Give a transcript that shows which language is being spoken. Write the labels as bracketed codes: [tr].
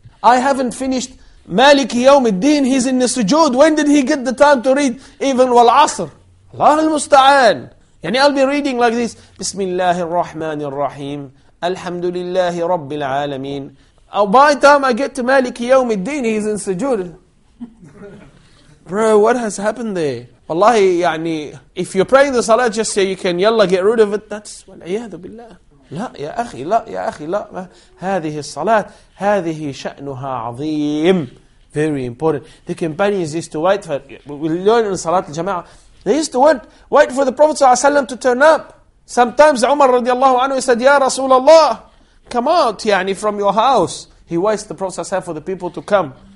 [en] I haven't finished [ar] مالك يوم الدين [en] he's in the sujood when did he get the time to read even [ar] والعصر الله المستعان يعني [en] I'll be reading like this [ar] بسم الله الرحمن الرحيم الحمد لله رب العالمين [en] By the time I get to Malik Yawm al-Din, he's in sujood. Bro, what has happened there? Wallahi, يعني, if you're praying the salah, just say you can, yalla, get rid of it. That's, wal-iyadu billah. [ar] لا يا أخي لا يا أخي لا هذه الصلاة هذه شأنها عظيم. [en] Very important. The companions used to wait for, we learn in Salat al Jama'ah, they used to wait for the Prophet sallallahu alaihi wasallam to turn up. Sometimes Umar radiallahu anhu said, Ya Rasulullah, come out يعني, from your house. He waits the Prophet sallallahu alaihi wasallam for the people to come.